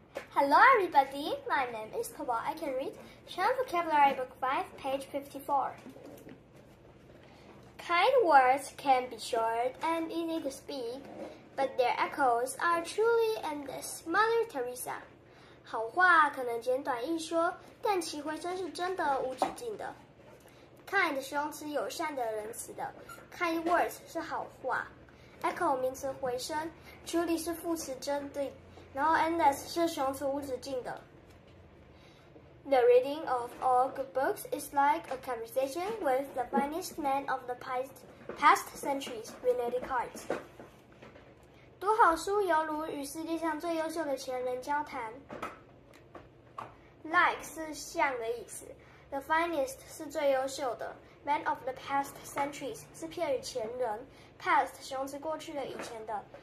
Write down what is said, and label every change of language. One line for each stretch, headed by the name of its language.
English: Hello, everybody. My name is Toba. I can read Chinese vocabulary book 5, page 54. Kind words can be short and easy to speak, but their echoes are truly endless. Mother Teresa.
Chinese: 好话可能简短易说，但其回声是真的无止境的。 Kind 形容词友善的，仁慈的。Kind words 是好话。 Echo 名词回声。Truly 是副词真的。然后 endless 是形容词无止境的。
English: The reading of all good books is like a conversation with the finest men of the past centuries, Rene Descartes.
Chinese: 读好书犹如与世界上最优秀的前人交谈。 Like 是像的意思。The finest 是最优秀的。
English: Man of the past centuries
Chinese: 是片语前人。Past 形容词过去的以前的。